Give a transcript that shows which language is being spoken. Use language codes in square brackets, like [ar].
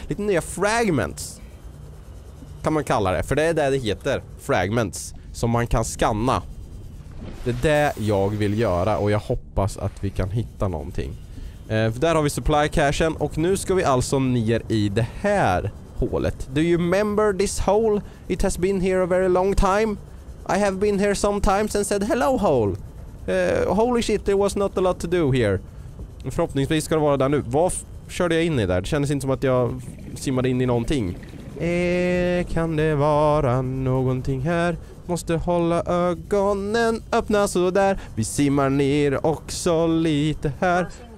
[sv] Lite nya fragments kan man kalla det. För det är det det heter. Fragments som man kan scanna. Det är det jag vill göra och jag hoppas att vi kan hitta någonting. Där har vi supply cachen och nu ska vi alltså ner i det här hålet. [en] Do you remember this hole? It has been here a very long time. I have been here sometimes and said hello hole. Holy shit, there was not a lot to do here. [sv] Förhoppningsvis ska det vara där nu. Vad körde jag in i där? Det kändes inte som att jag simmade in i någonting. Kan det vara någonting här? Måste hålla ögonen öppna så där. Vi simmar ner också lite här.